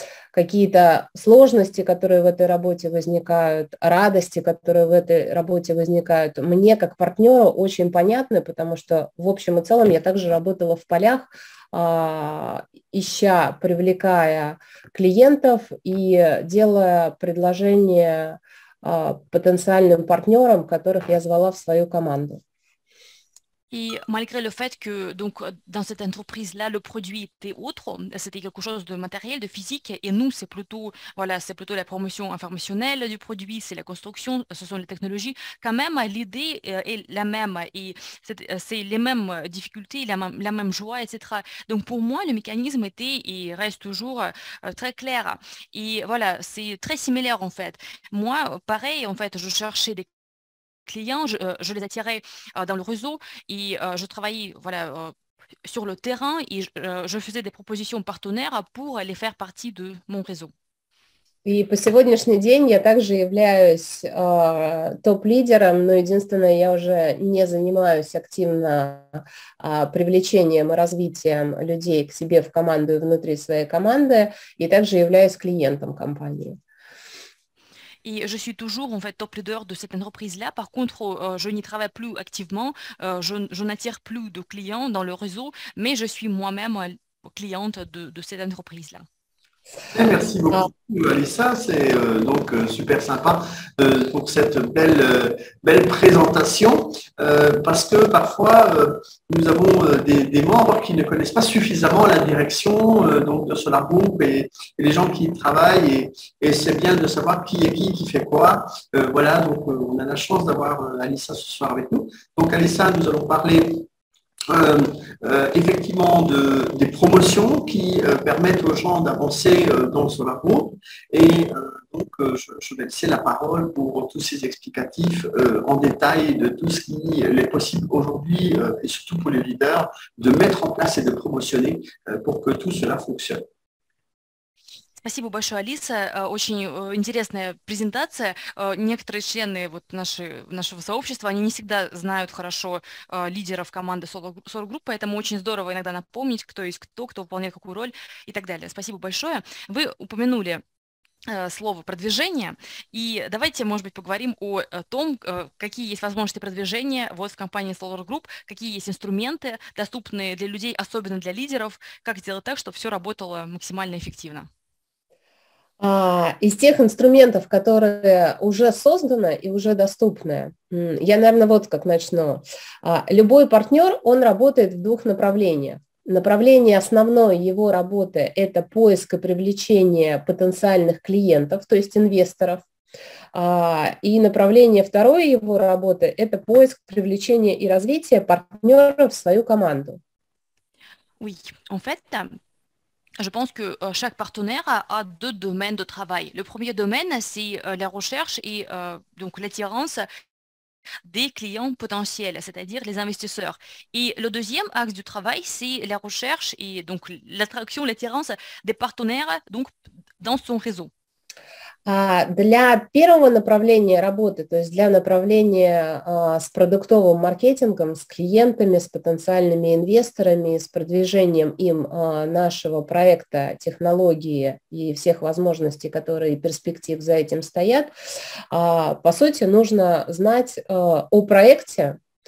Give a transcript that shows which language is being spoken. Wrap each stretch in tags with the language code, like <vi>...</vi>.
<ru>какие-то сложности, которые в этой работе возникают, радости, которые в этой работе возникают, мне как партнеру очень понятны, потому что в общем и целом я также работала в полях, ища, привлекая клиентов и делая предложения потенциальным партнерам, которых я звала в свою команду.</ru> <fr>Et malgré le fait que donc, dans cette entreprise-là, le produit était autre, c'était quelque chose de matériel, de physique, et nous, c'est plutôt, voilà, c'est plutôt la promotion informationnelle du produit, c'est la construction, ce sont les technologies, quand même, l'idée est la même, et c'est les mêmes difficultés, la même joie, etc. Donc pour moi, le mécanisme était et reste toujours très clair. Et voilà, c'est très similaire en fait. Moi, pareil, en fait, je cherchais des clients, je les attirais dans le réseau et je travaillais voilà, sur le terrain et je faisais des propositions partenaires pour les faire partie de mon réseau.</fr> <ru>И по сегодняшний день я также являюсь топ-лидером, но единственное, я уже не занимаюсь активно привлечением и развитием людей к себе в команду и внутри своей команды, и также являюсь клиентом компании.</ru> <fr>Et je suis toujours en fait top leader de cette entreprise-là. Par contre, je n'y travaille plus activement. Je n'attire plus de clients dans le réseau, mais je suis moi-même cliente de cette entreprise-là. Merci beaucoup, Alissa. C'est donc super sympa pour cette belle présentation. Parce que parfois, nous avons des membres qui ne connaissent pas suffisamment la direction donc de Solar Group et les gens qui y travaillent. Et c'est bien de savoir qui est qui fait quoi. Voilà, donc on a la chance d'avoir Alissa ce soir avec nous. Donc Alissa, nous allons parler... effectivement des promotions qui permettent aux gens d'avancer dans ce Group. Et donc je vais laisser la parole pour tous ces explicatifs en détail de tout ce qui est possible aujourd'hui et surtout pour les leaders de mettre en place et de promotionner pour que tout cela fonctionne.</fr> <ru>Спасибо большое, Алиса. Очень интересная презентация. Некоторые члены вот нашего сообщества, они не всегда знают хорошо лидеров команды Solar Group, поэтому очень здорово иногда напомнить, кто есть кто, кто выполняет какую роль и так далее. Спасибо большое. Вы упомянули слово «продвижение», и давайте, может быть, поговорим о том, какие есть возможности продвижения вот в компании Solar Group, какие есть инструменты, доступные для людей, особенно для лидеров, как сделать так, чтобы все работало максимально эффективно. Из тех инструментов, которые уже созданы и уже доступны, я, наверное, вот как начну. Любой партнер, он работает в двух направлениях. Направление основной его работы – это поиск и привлечение потенциальных клиентов, то есть инвесторов. И направление второе его работы – это поиск, привлечение и развитие партнеров в свою команду.</ru> <fr>Oui, en fait, je pense que chaque partenaire a deux domaines de travail. Le premier domaine, c'est la recherche et donc l'attirance des clients potentiels, c'est-à-dire les investisseurs. Et le deuxième axe du travail, c'est la recherche et donc l'attraction, l'attirance des partenaires donc dans son réseau.</fr> <ru>Для первого направления работы, то есть для направления с продуктовым маркетингом, с клиентами, с потенциальными инвесторами, с продвижением им нашего проекта, технологии и всех возможностей, которые перспектив за этим стоят, по сути, нужно знать о проекте,</ru>